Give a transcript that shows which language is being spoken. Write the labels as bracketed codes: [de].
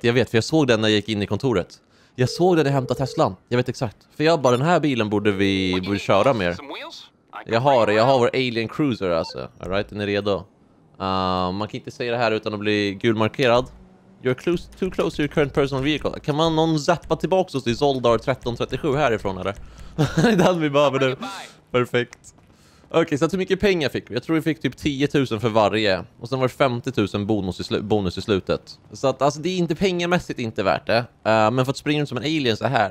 [sv] För jag såg den när jag gick in i kontoret. Jag såg den när jag hämtade Teslan. Jag vet exakt. För jag bara, den här bilen borde vi köra mer. Jag har vår alien cruiser alltså. [en] All right, [sv] den är redo. Man kan inte säga det här utan att bli gulmarkerad. [en] You're too close to your current personal vehicle. [sv] Kan man någon zappa tillbaka oss till Zoldar 1337 härifrån eller? Det är den vi behöver nu. Perfekt. Okej, så hur mycket pengar fick vi? Jag tror vi fick typ 10 000 för varje. Och sen var det 50 000 bonus i slutet. Så att, alltså, det är inte pengamässigt inte värt det. Men för att springa runt som en alien så här.